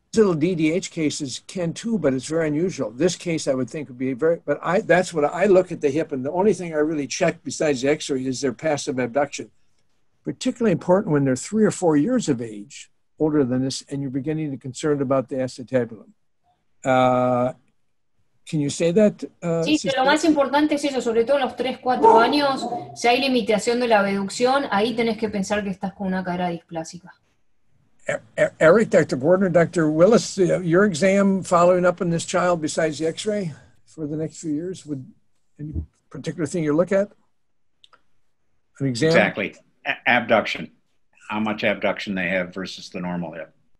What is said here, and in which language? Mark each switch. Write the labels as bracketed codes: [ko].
[en] Little DDH cases can too, but it's very unusual. This case I would think would be that's what I look at the hip, and the only thing I really check besides the x-ray is their passive abduction. Particularly important when they're 3 or 4 years of age, older than this, and you're beginning to be concerned about the acetabulum. Can you say that? [es] Sí, pero lo más importante es eso, sobre todo en los 3-4 años, si hay limitación de la abducción, ahí tenés que pensar que estás con una cadera displásica. [en] Eric, Dr. Gordon, Dr. Willis, your exam following up on this child besides the x-ray for the next few years, would any particular thing you look at? An exam? Exactly. Abduction. How much abduction they have versus the normal hip.